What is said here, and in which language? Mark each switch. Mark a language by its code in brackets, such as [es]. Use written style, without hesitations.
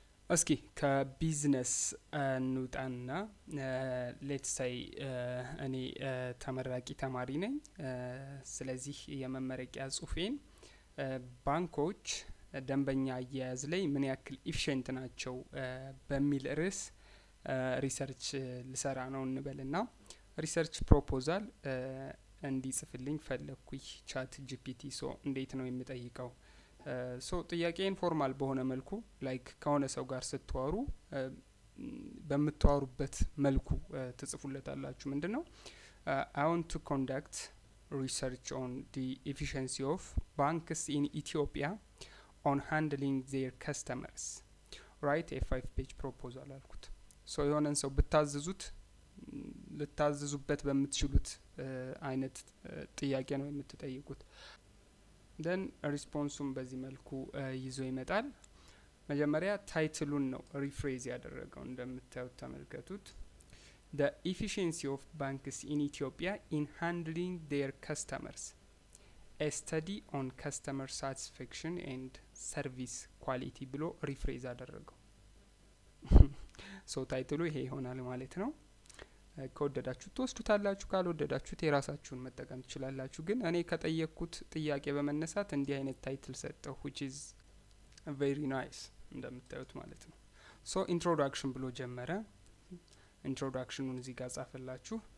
[am] እስኪ ከቢዝነስ እንውጣና ሌትስ ሳይ እኔ ተመራቂ ተማሪ ነኝ። ስለዚህ የመመረቂያ ጽሁፌን ባንኮች ደንበኛ አያያዝ ላይ ምን ያክል ኢፊሽንት ናቸው በሚል ርዕስ ሪሰርች ልሰራ ነው እንበልና ሪሰርች ፕሮፖዛል እንዲጽፍልኝ ፈለኩኝ ቻት ጂፒቲ። ሶ እንዴት ነው የምጠይቀው? ሶ ጥያቄ ኢንፎርማል በሆነ መልኩ ላይክ ከሆነ ሰው ጋር ስትዋሩ በመተዋሩበት መልኩ ትጽፉለታላችሁ። ምንድነው? [en] I want to conduct research on the efficiency of banks in Ethiopia on handling their customers. Write a 5-page proposal [am] አልኩት። ሶ የሆነን ሰው ብታዘዙት ልታዘዙበት በሚችሉት አይነት ጥያቄ ነው የምትጠይቁት። then response-ም በዚህ መልኩ ይዞ ይመጣል። መጀመሪያ ታይትሉን ነው ሪፍሬዝ ያደረገው እንደምታዩት ተመልከቱት። [en] the efficiency of banks in Ethiopia in handling their customers. A study on customer satisfaction and service quality [am] ብሎ ሪፍሬዝ አደረገው ሶ ታይትሉ ይሄ ሆናል ማለት ነው ከወደዳችሁ ተወስዱታላችሁ ካልወደዳችሁ ተራሳችሁን መጠቀም ትችላላችሁ ግን እኔ ከጠየቅኩት ጥያቄ በመነሳት እንዲህ አይነት ታይትል ሰጠው [en] which is very nice [am] እንደምታዩት ማለት ነው ሶ ኢንትሮዳክሽን ብሎ ጀመረ ኢንትሮዳክሽኑን እዚህ ጋር ጻፈላችሁ